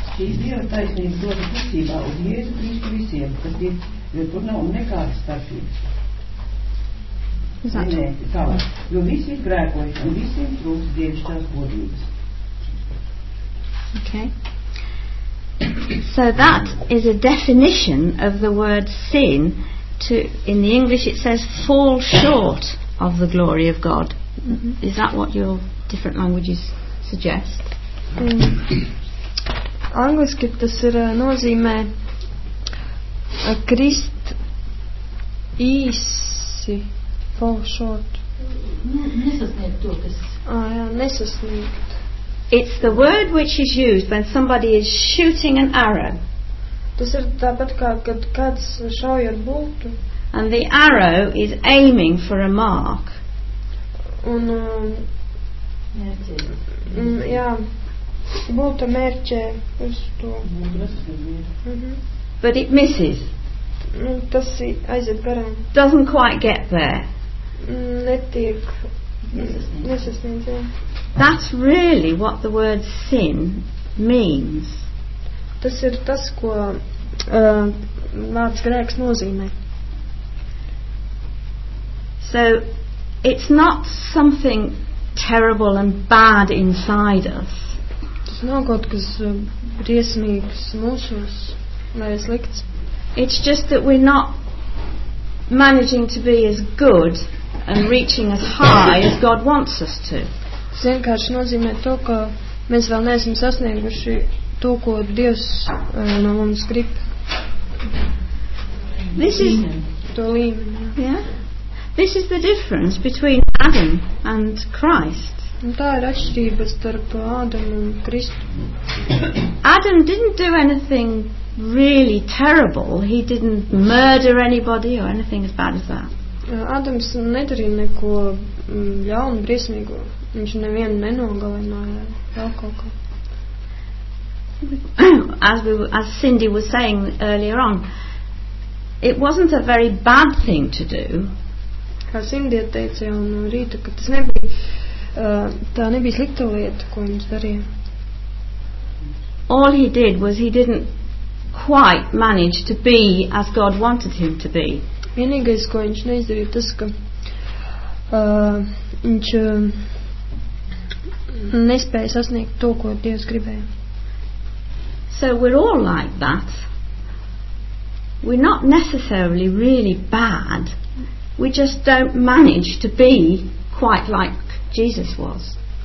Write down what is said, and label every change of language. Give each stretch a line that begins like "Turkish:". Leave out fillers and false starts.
Latvian: šī Dieva taisnības dota kustībā uz Jēzu Kristu visiem, kas ir, jo tur nav nekāda starpība. Jo visi ir grēkoši un visi ir trūkst dievišķās godības.
English: Okay. So that is a definition of the word sin. To, in the English it says fall short of the glory of God. Mm-hmm. Is that what your different languages suggest?
Latvian: Angliski tas ir nozīmē krist īsi
English: fall short.
Latvian: Nesasniegt.
English: It's the word which is used when somebody is shooting an arrow.
Latvian: Tas ir tāpat kā, kad kāds šauj ar bultu.
English: And the arrow is aiming for a mark.
Latvian: Un, jā, bulta mērķē uz to.
English: But it misses.
Latvian: Tas aiziet garām.
English: Doesn't quite get there.
Latvian: Netiek. Nesasniedz.
English: That's really what the word sin means.
Latvian: Tas ir tas, ko vārds grēks nozīmē.
English: So it's not something terrible and bad inside us.
Latvian: Tas nav kaut kas briesmīgs mūsos, vai slikts.
English: It's just that we're not managing to be as good and reaching as high as God wants us to.
Latvian: Tas vienkārši nozīmē to, ka mēs vēl neesam sasnieguši to, ko Dievs no mums grib.
English: This is
Latvian: to līmeni,
English: This is the difference between Adam and Christ.
Latvian: Un tā ir atšķirība starp Ādamu un Kristu.
English: Adam didn't do anything really terrible. He didn't murder anybody or anything as bad as that.
Latvian: Adams nedarīja neko ļaunu, briesmīgu. Viņš nevienu nenogalināja vēl kaut ko.
English: As Cindy was saying earlier on, it wasn't a very bad thing to do.
Latvian: Kā Cindy teica jau no rīta, ka tas nebija, tā nebija slikta lieta, ko viņš darīja.
English: All he did was he didn't quite manage to be as God wanted him to be.
Latvian: Vienīgais, ko viņš neizdarīja, tas, ka viņš nespēja sasniegt to, ko Dievs gribēja.
English: So we're all like that. We're not necessarily really bad. We just don't manage to be quite like Jesus was.